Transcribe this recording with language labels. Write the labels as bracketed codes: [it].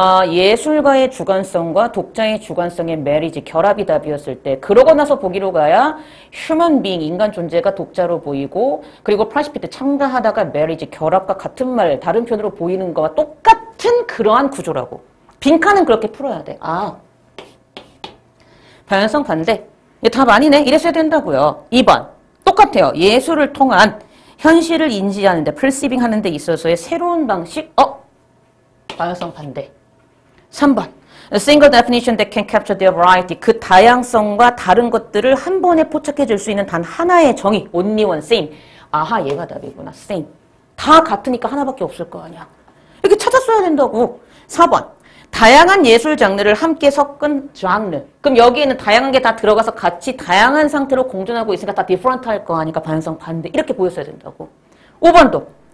[ko] 예술가의 주관성과 독자의 주관성의 매리지, 결합이 답이었을 때, 그러고 나서 보기로 가야 휴먼 빙, 인간 존재가 독자로 보이고, 그리고 프라시피트 참가하다가 매리지, 결합과 같은 말, 다른 표현으로 보이는 것과 똑같은 그러한 구조라고. 빈칸은 그렇게 풀어야 돼. 아. 방향성 반대. 이게 답 아니네. 이랬어야 된다고요. 2번. 똑같아요. 예술을 통한 현실을 인지하는데, 퍼시빙 하는 데 있어서의 새로운 방식. 방향성 반대. 3번. [en] A single definition that can capture their variety. [ko] 그 다양성과 다른 것들을 한 번에 포착해 줄수 있는 단 하나의 정의. [en] Only one, same. [ko] 아하, 얘가 답이구나. [en] Same. [ko] 다 같으니까 하나밖에 없을 거 아니야. 이렇게 찾았어야 된다고. 4번. 다양한 예술 장르를 함께 섞은 장르. 그럼 여기에는 다양한 게다 들어가서 같이 다양한 상태로 공존하고 있으니까 다 different 할거 아니까 방향성 반대. 이렇게 보였어야 된다고. 5번도.